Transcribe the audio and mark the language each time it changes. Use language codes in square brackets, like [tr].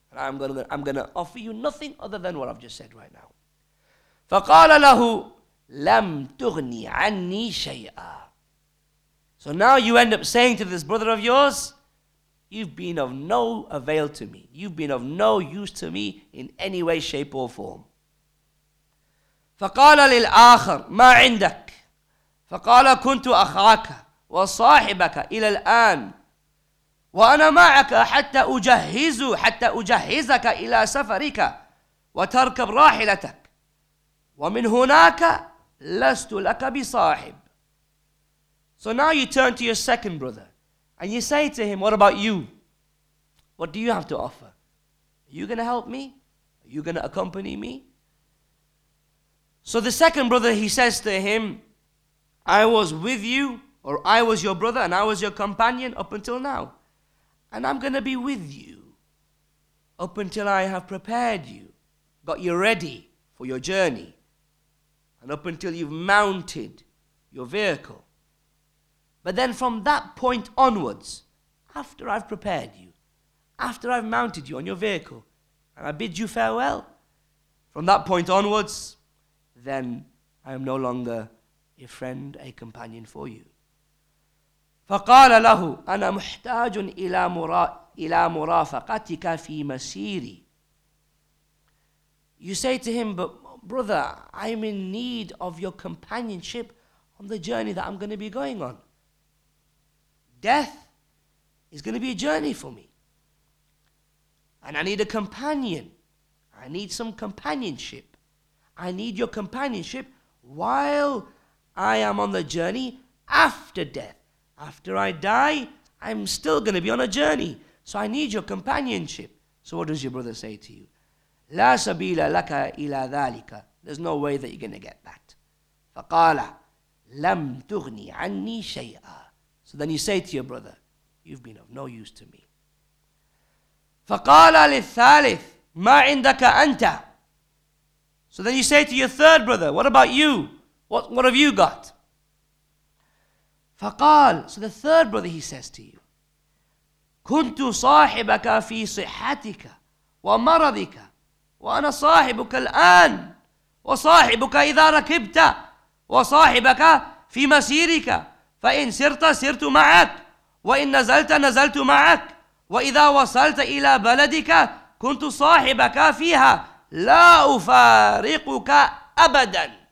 [en] And I'm going to offer you nothing other than what I've just said right now. [ar] فَقَالَ لَهُ لَمْ تُغْنِي عَنِّي شَيْئًا. [en] So now you end up saying to this brother of yours, you've been of no avail to me. You've been of no use to me in any way, shape or form. [ar] فَقَالَ لِلْآخَرْ مَا عِنْدَكْ فَقَالَ كُنْتُ أَخَاكَ وَصَاحِبَكَ إِلَى الْآنِ وأنا معك حتى أجهزك إلى سفرك وتركب راحلتك ومن هناك لست لك بصاحب. [en] So now you turn to your second brother and you say to him, what about you? What do you have to offer? Are you going to help me? Are you going to accompany me? So the second brother, he says to him, I was with you, or I was your brother and I was your companion up until now. And I'm going to be with you up until I have prepared you, got you ready for your journey, and up until you've mounted your vehicle. But then from that point onwards, after I've prepared you, after I've mounted you on your vehicle, and I bid you farewell, from that point onwards, then I am no longer a friend, a companion for you. [ar] فقال له أنا محتاج إلى مرافقتك في مسيري. [en] You say to him, but brother, I'm in need of your companionship on the journey that I'm going to be going on. Death is going to be a journey for me. And I need a companion. I need some companionship. I need your companionship while I am on the journey after death. After I die, I'm still going to be on a journey. So I need your companionship. So what does your brother say to you? [ar] لا سبيل لك إلى ذلك. [en] There's no way that you're going to get that. [ar] فقال لم تغني عني شيئا. [en] So then you say to your brother, you've been of no use to me. [ar] فقال للثالث ما عندك أنت. [en] So then you say to your third brother, what about you? What have you got? [ar] فقال. [en] So the third brother, he says to you, [ar] كنت صاحبك في صحتك ومرضك وأنا صاحبك الآن وصاحبك إذا ركبت وصاحبك في مسيرك فإن سرت سرت معك وإن نزلت نزلت معك وإذا وصلت إلى بلدك كنت صاحبك فيها لا أفارقك أبدا.